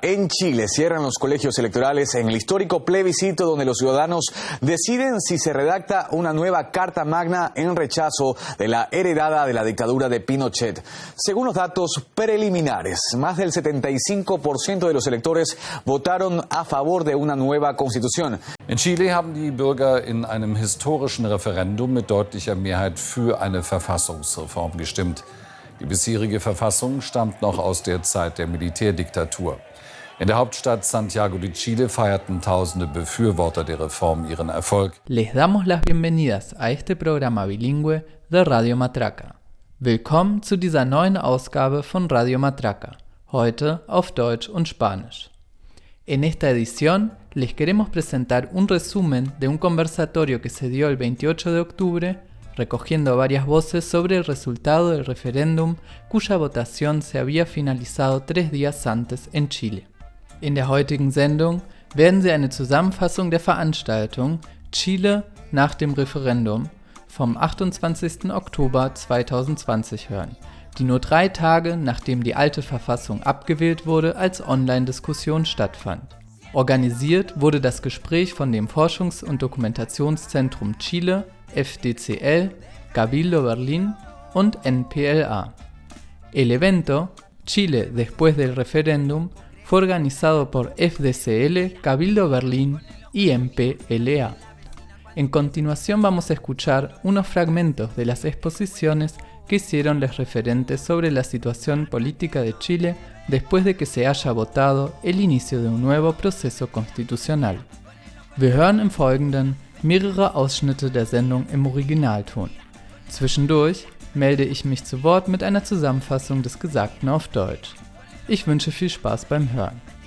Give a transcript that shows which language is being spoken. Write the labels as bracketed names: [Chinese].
[Spanish] En Chile cierran los colegios electorales en el histórico plebiscito donde los ciudadanos deciden si se redacta una nueva Carta Magna en rechazo de la heredada de la dictadura de Pinochet. Según los datos preliminares, más del 75% de los electores votaron a favor de una nueva constitución. [German] En Chile haben die Bürger in einem historischen Referendum mit deutlicher Mehrheit für eine Verfassungsreform gestimmt. Die bisherige Verfassung stammt noch aus der Zeit der Militärdiktatur. In der Hauptstadt Santiago de Chile feierten tausende Befürworter der Reform ihren Erfolg. [Spanish] Les damos las bienvenidas a este programa bilingüe de Radio Matraca. [German] Willkommen zu dieser neuen Ausgabe von Radio Matraca, heute auf Deutsch und Spanisch. [Spanish] En esta edición les queremos presentar un resumen de un conversatorio que se dio el 28 de octubre recogiendo varias voces sobre el resultado del referéndum cuya votación se había finalizado tres días antes en Chile. [German] In der heutigen Sendung werden Sie eine Zusammenfassung der Veranstaltung Chile nach dem Referendum vom 28. Oktober 2020 hören, die nur drei Tage nachdem die alte Verfassung abgewählt wurde, als Online-Diskussion stattfand. Organisiert wurde das Gespräch von dem Forschungs- und Dokumentationszentrum Chile, FDCL, Cabildo Berlín und NPLA. [Spanish] El evento, Chile después del referéndum, fue organizado por FDCL, Cabildo Berlín y NPLA. En continuación vamos a escuchar unos fragmentos de las exposiciones que hicieron los referentes sobre la situación política de Chile después de que se haya votado el inicio de un nuevo proceso constitucional. [German] Wir hören im Folgenden mehrere Ausschnitte der Sendung im Originalton. Zwischendurch melde ich mich zu Wort mit einer Zusammenfassung des Gesagten auf Deutsch. Ich wünsche viel Spaß beim Hören.